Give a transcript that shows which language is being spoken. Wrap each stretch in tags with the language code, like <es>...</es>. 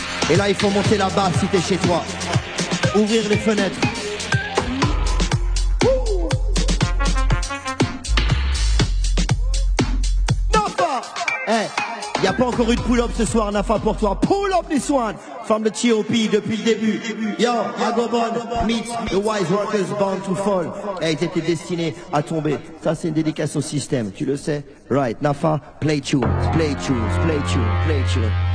<fr>Et là, il faut monter la basse si t'es chez toi. Ouvrir les fenêtres. Nafa, eh, y a pas encore eu de pull-up ce soir, Nafa, pour toi.</fr> <en>Pull-up this one. From the T.O.P.</en> <fr>depuis le début.</fr> <en>Yo, Agobon meets the wise workers bound to fall.</en> <fr>Eh, ils étaient destinés à tomber. Ça, c'est une dédicace au système, tu le sais.</fr> <en>Right, Nafa, play tunes,</en> <fr>play tunes, play tunes, play tunes.</fr>